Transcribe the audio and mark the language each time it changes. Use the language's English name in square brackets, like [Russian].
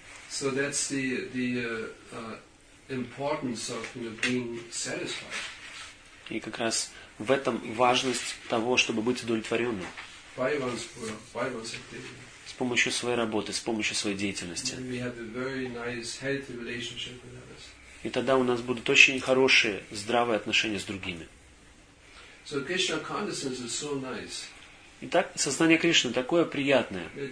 [English] So that's the importance of being satisfied. [Russian] И как раз в этом важность того, чтобы быть удовлетворенным. С помощью своей работы, с помощью своей деятельности. [English] We have a very nice healthy relationship with others. [Russian] И тогда у нас будут очень хорошие, здравые отношения с другими. [English] So Krishna consciousness is so nice. [Russian] Итак, сознание Кришны такое приятное.